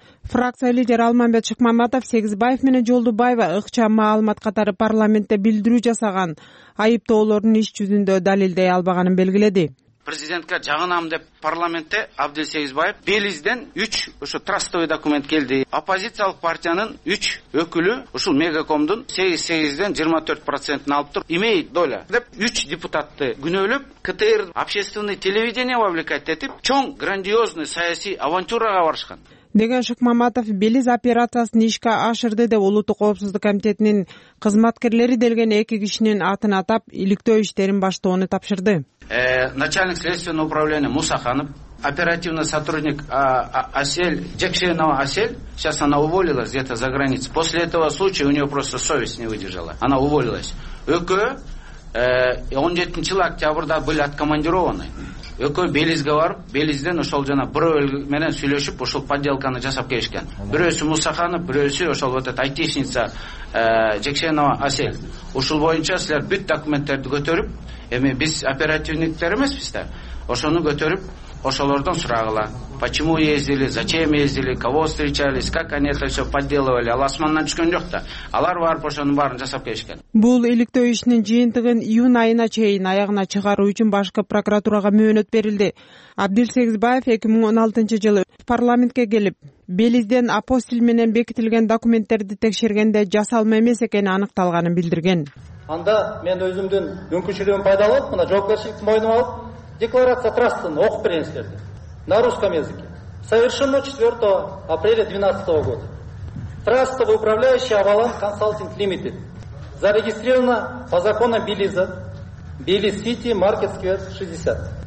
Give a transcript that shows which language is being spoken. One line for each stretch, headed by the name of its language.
Kyrgyz: Фракция лидери Алмамбет Шыкмаматов Сегизбаев менен Жолдубаева ыкчам маалымат катары парламентте билдирүү жасаган айыптоолорун иш жүзүндө далилдей албаганын белгиледи. Президентке жагынам деп парламентте Абдел Сегизбаев Белизден 3 ушу трастовый документ келди. Оппозициялык партиянын 3 өкүлү ушул Мегакомдун 8-8ден 24% алыптыр. Имей доля деп 3 депутатты күнөөлөп, КТР
Russian: общественный телевидение вовлекать
Kyrgyz: этип чоң грандиозный саясий авантюрага барышкан. Деген Шыкмаматов Белиз операциясын ишке ашырды деп улуттук коопсуздук комитетинин кызматкерлери делген 2 кишинин атын атап, иликтөө иштерин баштоону тапшырды.
Russian: Начальник следственного управления Мусаханов, оперативный сотрудник Асель, Джекшенова Асель, сейчас она уволилась где-то за границей. После этого случая у нее просто совесть не выдержала. Она уволилась. ЭКО, 17 октября были откомандированы.
Kyrgyz: ЭКО Белизге барып, Белизден ошол жана бирөө менен сүйлөшүп, ошол подделканы жасап келишкен. Бирөөсү Мусаханов, бирөөсү ошол
Russian: вот этот
Kyrgyz: айтишница Джекшенова Асель. Ушул боюнча силер бүт документтерди көтөрүп, эми биз оперативниктер эмеспиз да, ошону көтөрүп, ошолордон сурагыла.
Russian: Почему ездили, зачем ездили, кого встречались, как они это все подделывали.
Kyrgyz: Ал асмандан түшкөн жок да. Алар барып ошонун баарын жасап келишкен. Бул иликтөө ишинин жыйынтыгын июнь айына чейин аягына чыгаруу үчүн башкы прокуратурага мөөнөт берилди. Абдел Сегизбаев 2016 жылы парламентке келип, Белизден апостиль менен бекитилген документтерди текшергенде жасалма эмес экени аныкталганын билдирген. Анда мен өзүмдүн мүмкүнчүлүгүн пайдаланып, мына жоопкерчиликти мойнума алып, декларация трастын окуп бериңиздер.
Russian: На русском языке. Совершено 4 апреля 2012 года. Трастовый управляющий Авалан Консалтинг Лимитед. Зарегистрировано по закону Белиза, Белиз Сити, Маркет Сквер 60.